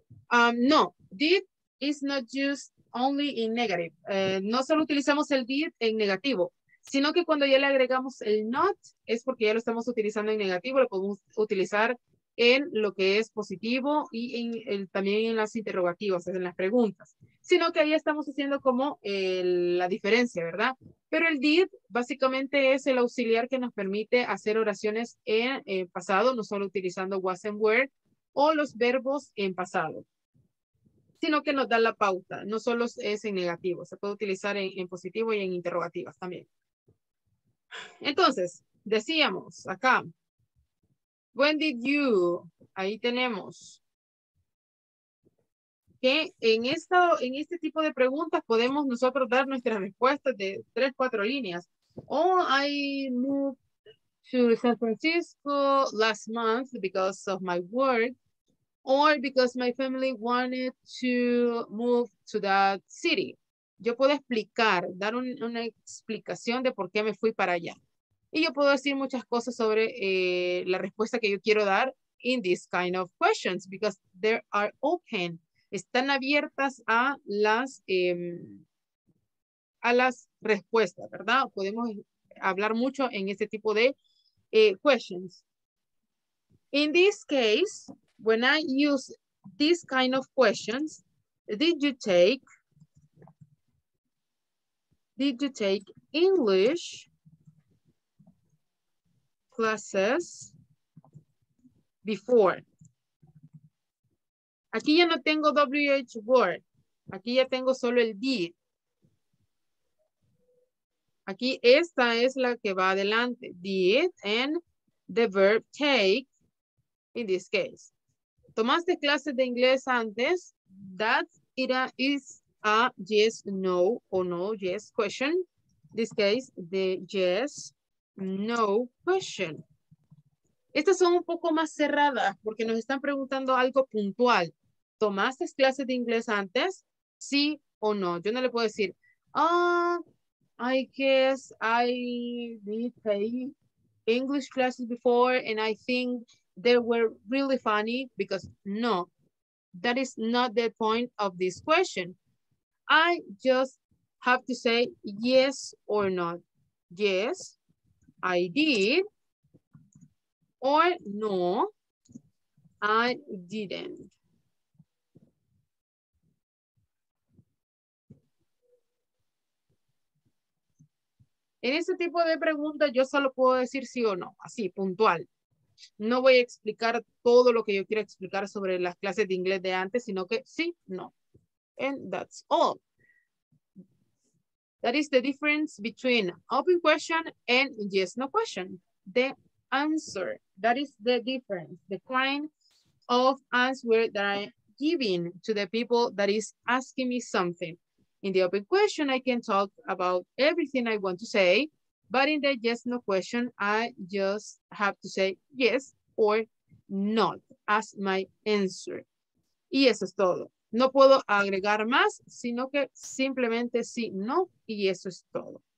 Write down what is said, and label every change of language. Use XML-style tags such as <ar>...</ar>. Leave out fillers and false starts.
<en>No, did is not used only in negative.</en> <es>No solo utilizamos el did en negativo, sino que cuando ya le agregamos el not, es porque ya lo estamos utilizando en negativo, lo podemos utilizar en lo que es positivo y en el, también en las interrogativas, en las preguntas. Sino que ahí estamos haciendo como la diferencia, ¿verdad? Pero el did básicamente es el auxiliar que nos permite hacer oraciones en pasado, no solo utilizando was and were, o los verbos en pasado, sino que nos da la pauta, no solo es en negativo, se puede utilizar en positivo y en interrogativas también. Entonces, decíamos acá,</es> <en>when did you,</en> <es>ahí tenemos, que en este tipo de preguntas podemos nosotros dar nuestras respuestas de 3-4 líneas.</es> <en>Oh, I moved to San Francisco last month because of my work, or because my family wanted to move to that city.</en> <es>Yo puedo explicar, dar una explicación de por qué me fui para allá. Y yo puedo decir muchas cosas sobre la respuesta que yo quiero dar</es> <en>in this kind of questions, because they are open.</en> <es>Están abiertas a las respuestas, ¿verdad? Podemos hablar mucho en este tipo de questions.</es> <en>In this case, when I use this kind of questions, did you take English classes before?</en> <es>Aquí ya no tengo WH word. Aquí ya tengo solo el did. Aquí esta es la que va adelante.</es> <en>Did and the verb take in this case.</en> <es>¿Tomaste clases de inglés antes?</es> <en>That is a yes, no, or no, yes question. In this case, the yes, no question.</en> <es>Estas son un poco más cerradas porque nos están preguntando algo puntual. ¿Tomaste clases de inglés antes? Sí o no. Yo no le puedo decir,</es> <en>I guess I did pay English classes before, and I think they were really funny, because no, that is not the point of this question. I just have to say yes or not. Yes, I did, or no, I didn't.</en> <es>En ese tipo de preguntas yo solo puedo decir sí o no, así, puntual. No voy a explicar todo lo que yo quiero explicar sobre las clases de inglés de antes, sino que sí, no.</es> <en>And that's all. That is the difference between open question and yes, no question. The answer, that is the difference. The kind of answer that I'm giving to the people that is asking me something. In the open question, I can talk about everything I want to say, but in the yes, no question, I just have to say yes or not as my answer.</en> <es>Y eso es todo. No puedo agregar más, sino que simplemente sí, no, y eso es todo.</es>